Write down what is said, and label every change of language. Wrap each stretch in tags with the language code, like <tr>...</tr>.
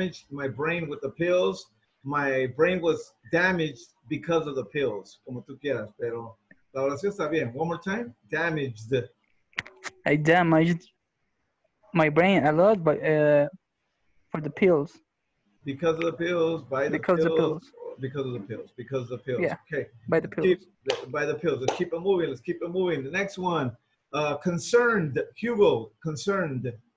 <en>I damaged my brain a lot with the pills. My brain was damaged because of the pills.</en> <es>Como tú quieras, pero la oración está bien.</es> <en>One more time. Damaged. I damaged my brain a lot, but for the pills. Because of the pills. Because of the pills. Yeah. Okay. By the pills. Let's keep it moving. The next one. Concerned. Hugo. Concerned.</en>